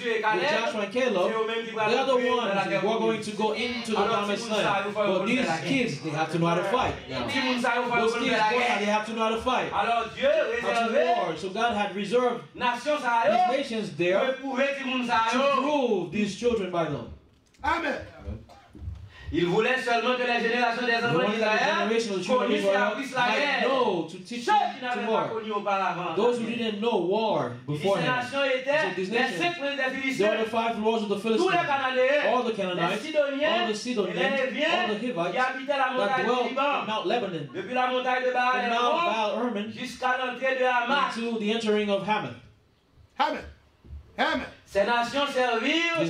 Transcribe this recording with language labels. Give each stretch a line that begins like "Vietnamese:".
English: Joshua and Caleb, the other ones who are going to go into the promised land. But these kids, they have to know how to fight. Now, those kids, they have to know how to fight. How to war. So God had reserved these nations there to rule these children by them. Amen.
French: Il voulait seulement que la génération des enfants d'Israël connaisse la vie d'Israël. Ceux qui n'avaient pas connu auparavant.
English: Those who didn't know war before.
French: Ces nations étaient les cinq princes des Philistins.
English: There were the five lords of the Philistines.
French: Tous les Canaanites.
English: All the Canaanites.
French: Les Sidoniens.
English: All the Sidonians.
French: Les Héviens.
English: All the Hivites.
French: Qui habitaient la montagne du Liban.
English: Mount Lebanon.
French: Depuis la montagne de Baal Hermon.
English: From Mount Baal Hermon.
French: Jusqu'à l'entrée de Hamath.
English: To the entering of Hamath. Hamath.
French: Ces nations servirent